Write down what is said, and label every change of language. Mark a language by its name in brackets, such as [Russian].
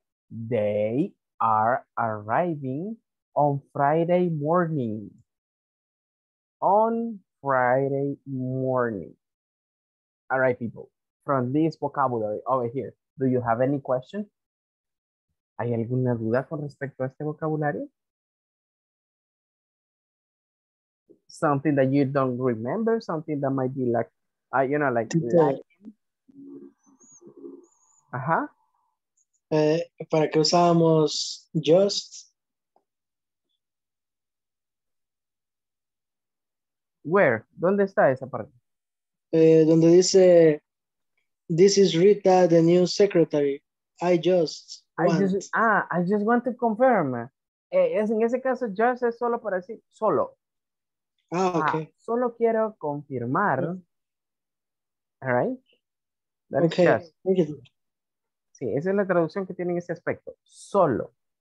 [English] They are arriving on Friday morning. On Friday morning. All right, people. From this vocabulary over here, do you have any question? [Spanish] ¿Hay alguna duda con respecto a este vocabulario? [English] Something that you don't remember, something that might be like, you know, like. Ajá. [Spanish] ¿Para qué usamos just? [English] Where? [Spanish] ¿Dónde está esa parte? Donde dice, [English] this is Rita, the new secretary. I just want to confirm. [Spanish] En ese caso, just es solo para decir, solo. [English] Ah, okay. [Spanish] Solo quiero confirmar. [English] All right. That okay. Is just. Thank you. [Spanish] Sí, esa es la traducción que tiene en ese aspecto. Solo.